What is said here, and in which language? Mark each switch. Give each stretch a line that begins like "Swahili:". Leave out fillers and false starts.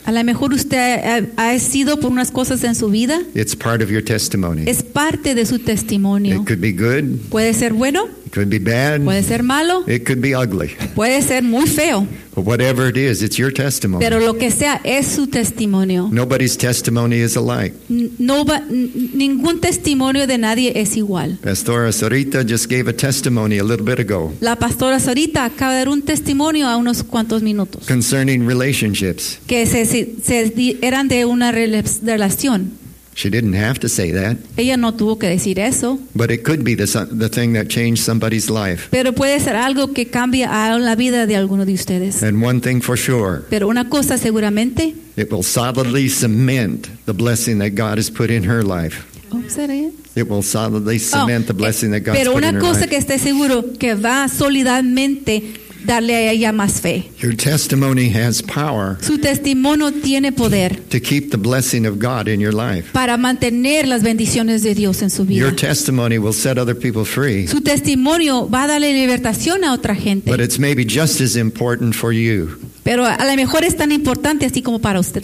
Spanish: A lo mejor usted ha sido por unas cosas en su vida.
English: It's part of your testimony.
Spanish: Es parte de su testimonio.
English: It could be good.
Spanish: Puede ser bueno.
English: It could be bad.
Spanish: Puede ser malo.
English: It could be ugly.
Spanish: Puede ser muy feo.
English: But whatever it is, it's your testimony.
Spanish: Pero lo que sea es su testimonio.
English: Nobody's testimony is alike.
Spanish: Ningún testimonio de nadie es igual.
English: Pastora Sarita just gave a testimony a little bit ago.
Spanish: La pastora Sarita acaba de dar un testimonio a unos cuantos minutos.
English: Concerning relationships.
Spanish: Que se eran de una relación.
English: She didn't have to say that.
Spanish: Ella no tuvo que decir eso.
English: But it could be the thing that changed somebody's life.
Spanish: Pero puede ser algo que cambia la vida de alguno de ustedes.
English: And one thing for sure.
Spanish: Pero una cosa seguramente.
English: It will solidly cement the blessing that God has put in her life. It will solidly cement the blessing that God has put in her life.
Spanish: Pero una cosa que esté seguro que va sólidamente darle a ella más fe.
English: Your testimony has power.
Spanish: Su testimonio tiene poder.
English: To keep the blessing of God in your life.
Spanish: Para mantener las bendiciones de Dios en su vida.
English: Your testimony will set other people free.
Spanish: Su testimonio va a darle libertación a otra gente.
English: But it's maybe just as important for you.
Spanish: Pero a lo mejor es tan importante así como para usted